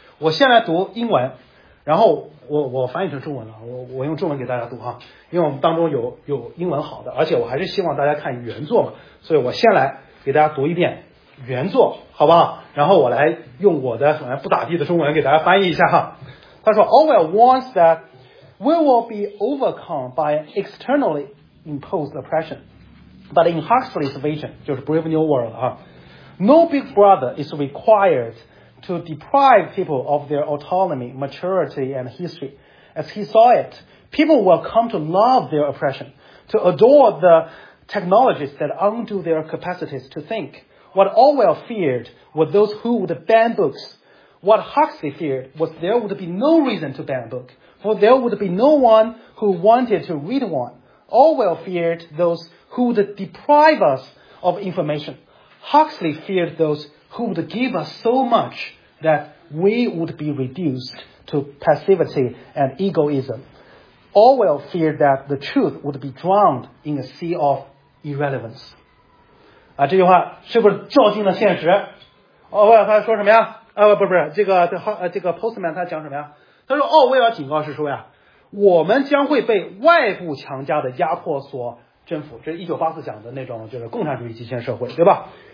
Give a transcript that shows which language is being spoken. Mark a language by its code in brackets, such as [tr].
[zh] 我先来读英文，然后我翻译成中文了，我用中文给大家读哈，因为我们当中有英文好的，而且我还是希望大家看原作嘛，所以我先来给大家读一遍原作，好不好？然后我来用我的不咋地的中文给大家翻译一下哈。他说 [en] Orwell warns that we will be overcome by externallyimposed oppression, but in Huxley's vision, [zh] 就是 Brave New World 啊, [en] no big brother is required to deprive people of their autonomy, maturity, and history. As he saw it, people will come to love their oppression, to adore the technologies that undo their capacities to think. What Orwell feared were those who would ban books. What Huxley feared was there would be no reason to ban a book, for there would be no one who wanted to read one. Orwell feared those who would deprive us of information. Huxley feared those who would give us so much that we would be reduced to passivity and egoism. Orwell feared that the truth would be drowned in a sea of irrelevance. [zh] 啊，这句话是不是照进了现实？奥威尔他说什么呀？这个 Postman 他讲什么呀？他说奥威尔警告是说呀，我们将会被外部强加的压迫所征服，这是1984讲的那种就是共产主义极权社会，对吧？